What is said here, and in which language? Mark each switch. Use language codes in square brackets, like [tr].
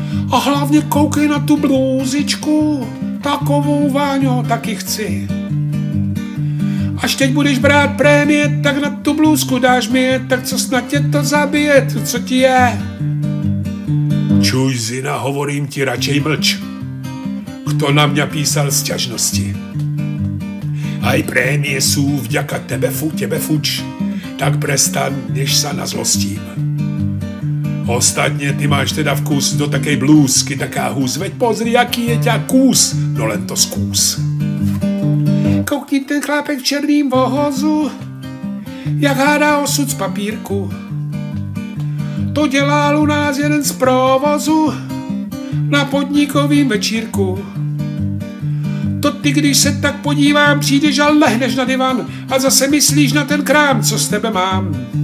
[cs] A hlavně koukej na tu blůzičku, takovou, Váňo, taky chci. Až teď budeš brát prémie, tak na tu blůzku dáš mi je, tak co snad tě to zabije, to co ti je? [sk] Čuj, Zina, hovorím ti, radšej mlč. Kto na mě písal sťažnosti? Aj prémie sú vďaka tebe fuč, tak prestan, než sa nazlostím. [cs] Ostatně ty máš teda vkus [sk] do takej blůzky, taká hůz, veď pozri, jaký je ťa kús, no len to skús. [cs] Koukni ten chlápek v černým vohozu, jak hádá osud z papírku. To dělal u nás jeden z provozu na podnikovým večírku. To ty, když se tak podívám, přijdeš a lehneš na divan a zase myslíš na ten krám, co s tebe mám.